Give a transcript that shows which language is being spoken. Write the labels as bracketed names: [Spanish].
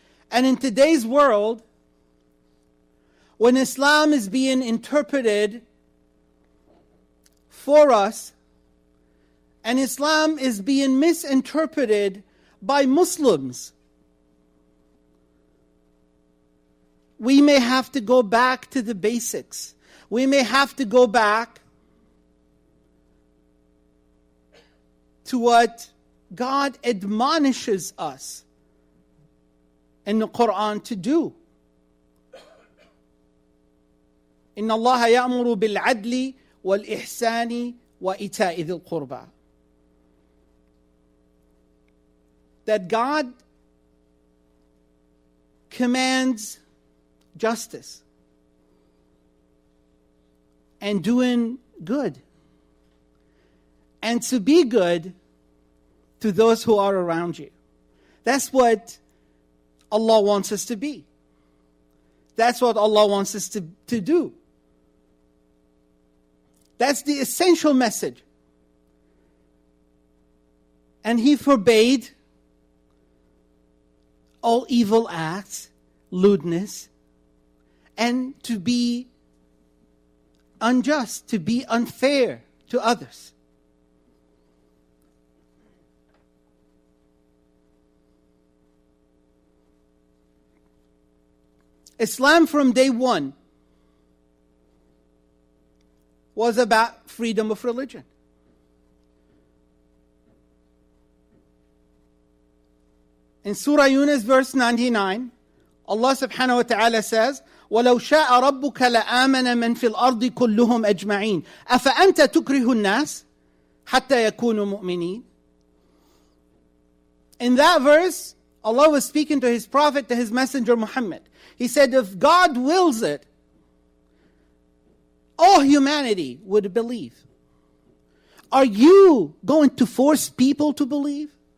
[English] And in today's world, when Islam is being interpreted for us, and Islam is being misinterpreted by Muslims, we may have to go back to the basics. We may have to go back to what God admonishes us in the Quran to do. [Arabic] إن الله يأمر بالعدل والإحسان وإيتاء ذي القربى. [English] That God commands justice and doing good and to be good to those who are around you. That's what Allah wants us to be. That's what Allah wants us to do. That's the essential message. And he forbade all evil acts, lewdness, and to be unjust, to be unfair to others. Islam from day one was about freedom of religion. In Surah Yunus, verse 99, Allah subhanahu wa ta'ala says, [Arabic] وَلَوْ شَاءَ رَبُّكَ لَآمَنَ مَنْ فِي الْأَرْضِ كُلُّهُمْ أَجْمَعِينَ أَفَأَنْتَ تُكْرِهُ النَّاسِ حَتَّى يَكُونُوا مُؤْمِنِينَ. [English] In that verse, Allah was speaking to His Prophet, to His Messenger Muhammad. He said, if God wills it, all humanity would believe. Are you going to force people to believe?